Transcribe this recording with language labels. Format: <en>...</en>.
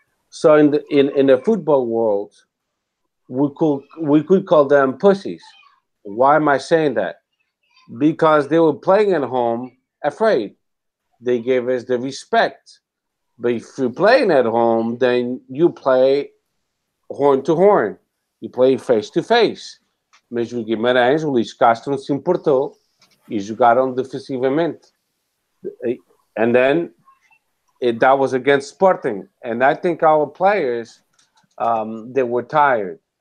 <en>So in the football world, we could call them pussies. Why am I saying that? Because they were playing at home afraid. They gave us the respect. But if you're playing at home, then you play horn to horn. You play face to face.</en> <pt>Mas o Guimarães, o Luís Castro, se importou e jogaram defensivamente.</pt> <en>And then that was against Sporting. And I think our players, they were tired.</en>